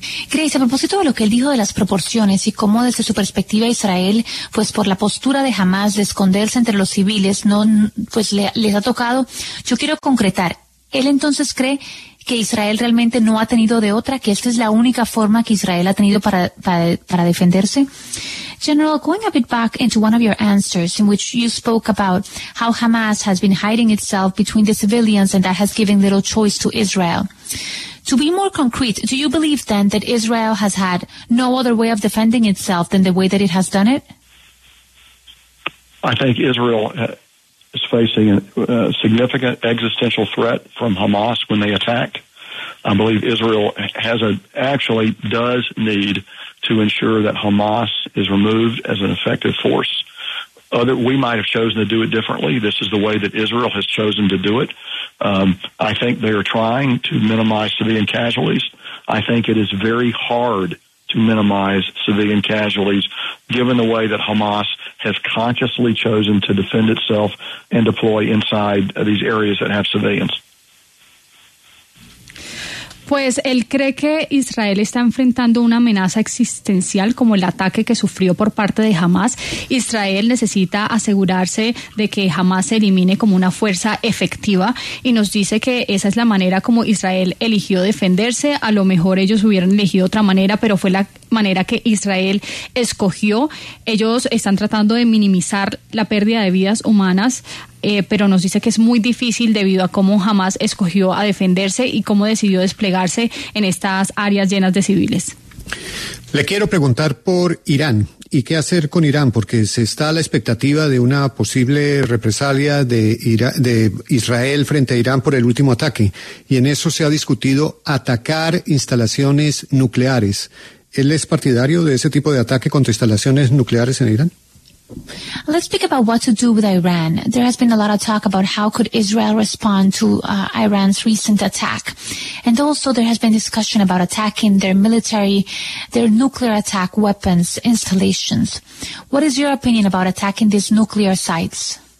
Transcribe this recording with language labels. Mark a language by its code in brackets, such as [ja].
[es] Grace, a propósito de lo que él dijo de las proporciones y cómo desde su perspectiva Israel, pues por la postura de Hamas de esconderse entre los civiles, no, pues les ha tocado, yo quiero concretar, ¿él entonces cree que Israel realmente no ha tenido de otra, que esta es la única forma que Israel ha tenido para defenderse? [en] General, going a bit back into one of your answers in which you spoke about how Hamas has been hiding itself between the civilians and that has given little choice to Israel. To be more concrete, do you believe then that Israel has had no other way of defending itself than the way that it has done it? I think Israel is facing a significant existential threat from Hamas when they attack. I believe Israel does need to ensure that Hamas is removed as an effective force. We might have chosen to do it differently. This is the way that Israel has chosen to do it. I think they are trying to minimize civilian casualties. I think it is very hard to minimize civilian casualties, given the way that Hamas has consciously chosen to defend itself and deploy inside these areas that have civilians. [es] Pues él cree que Israel está enfrentando una amenaza existencial como el ataque que sufrió por parte de Hamas. Israel necesita asegurarse de que Hamas se elimine como una fuerza efectiva y nos dice que esa es la manera como Israel eligió defenderse. A lo mejor ellos hubieran elegido otra manera, pero fue la manera que Israel escogió. Ellos están tratando de minimizar la pérdida de vidas humanas, pero nos dice que es muy difícil debido a cómo Hamas escogió a defenderse y cómo decidió desplegarse en estas áreas llenas de civiles. Le quiero preguntar por Irán y qué hacer con Irán, porque se está a la expectativa de una posible represalia de Israel frente a Irán por el último ataque, y en eso se ha discutido atacar instalaciones nucleares. ¿Él es partidario de ese tipo de ataque contra instalaciones nucleares en Irán? [en] Let's speak about what to do with Iran. There has been a lot of talk about how could Israel respond to Iran's recent attack. And also there has been discussion about attacking their military, their nuclear attack weapons installations. What is your opinion about attacking these nuclear sites?